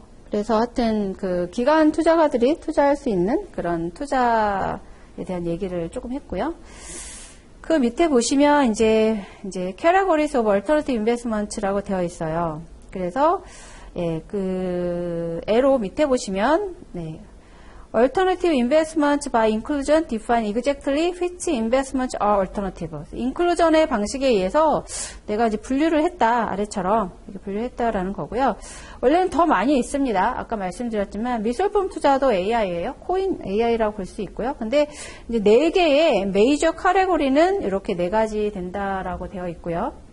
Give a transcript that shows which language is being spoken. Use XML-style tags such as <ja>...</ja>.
<ko>그래서 하여튼 그 기관 투자가들이 투자할 수 있는 그런 투자에 대한 얘기를 조금 했고요. 그 밑에 보시면 이제</ko> <en>Categories of Alternative Investments</en> <ko>라고 되어 있어요. 그래서 예, 그 에로 밑에 보시면 네.</ko> <en>Alternative investments by inclusion define exactly which investments are alternative.</en> <ko>인클루전의 방식에 의해서 내가 이제 분류를 했다. 아래처럼 분류했다라는 거고요. 원래는 더 많이 있습니다. 아까 말씀드렸지만 미술품 투자도 AI예요. 코인 AI라고 볼수 있고요. 근데 이제 네 개의 메이저 카테고리는 이렇게 네 가지 된다라고 되어 있고요.</ko>